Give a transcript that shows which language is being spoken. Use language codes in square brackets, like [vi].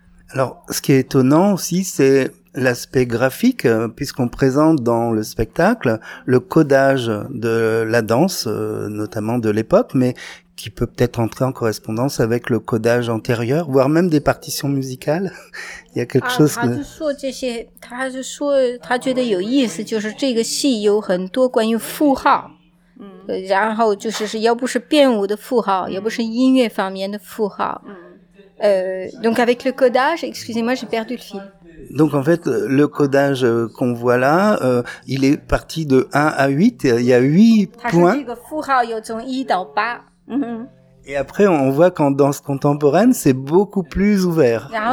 [fr] Alors ce qui est étonnant aussi, c'est l'aspect graphique, puisqu'on présente dans le spectacle le codage de la danse, notamment de l'époque, mais qui peut peut-être entrer en correspondance avec le codage antérieur, voire même des partitions musicales. Il y a quelque chose que... [zh] 他就说他觉得有意思，就是这个戏有很多关于符号，然后就是要不是编舞的符号，要不是音乐方面的符号。 [fr] Donc avec le codage, excusez-moi, j'ai perdu le fil. Donc en fait, le codage qu'on voit là, il est parti de 1 à 8, il y a 8 points. [zh] 他说这个符号有从1到8。 [fr] Et après, on voit qu'en danse contemporaine, c'est beaucoup plus ouvert.